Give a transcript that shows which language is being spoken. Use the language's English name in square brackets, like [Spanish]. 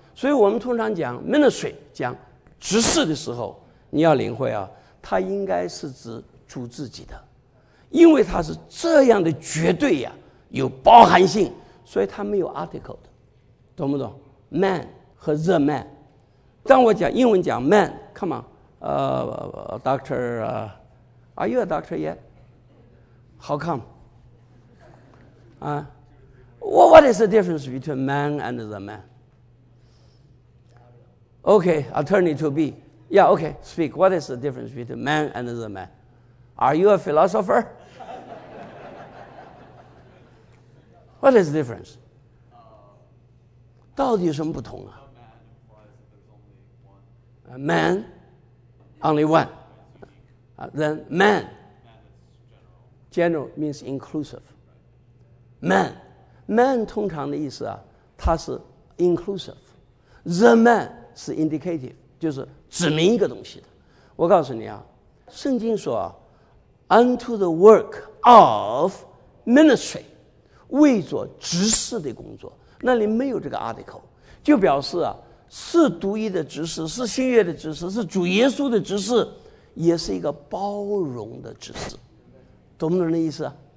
[Chinese] 所以我们通常讲 ministry 讲知识的时候，你要领会啊，它应该是指主自己的，因为它是这样的绝对呀、啊，有包含性，所以它没有 article 的，懂不懂 ？Man 和 the man， 当我讲英文讲 man， [English] come on， doctor， are you a doctor yet？How come？啊、what is the difference between man and the man？ Okay, attorney to be. Yeah, okay, speak. What is the difference between man and the man? Are you a philosopher? What is the difference? [Chinese] 到底有什么不同啊？ [English] Man, only one. Then man. General means inclusive. Man. [Chinese] Man 通常的意思啊，它是 inclusive. The man. 是 indicative， 就是指明一个东西的。我告诉你啊，圣经说 [English] unto the work of ministry， [Chinese] 为做执事的工作，那里没有这个 article， 就表示啊是独一的执事，是新约的执事，是主耶稣的执事，也是一个包容的执事，懂不懂的意思啊？